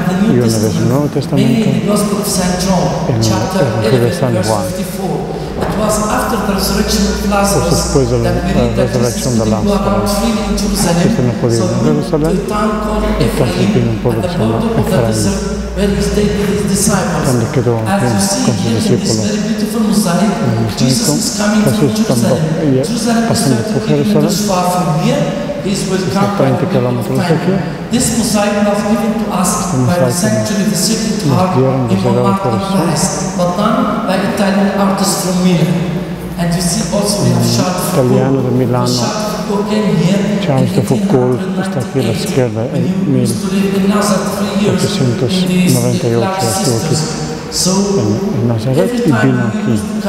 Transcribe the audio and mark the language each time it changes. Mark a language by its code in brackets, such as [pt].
[es] Y una vez en el Nuevo Testamento, en el Evangelio de San Juan. Pues después de la resurrección de Lázaro, que no podía ir a Jerusalén, entonces vino un pueblo que se llama Efraín. [en] Where he stayed with his disciples. As you see here in this very beautiful mosaic, Jesus is coming from Jerusalem. Jerusalem is 30 kilometers from here. He was coming from the Temple. This mosaic was given to us by the sanctuary, the city park, but done by Italian artists from Milan. And you see also we have [it] Italiano de Milano. [es] Charles de Foucault está aquí a la izquierda en 1898, estuvo aquí en Nazaret y vino aquí.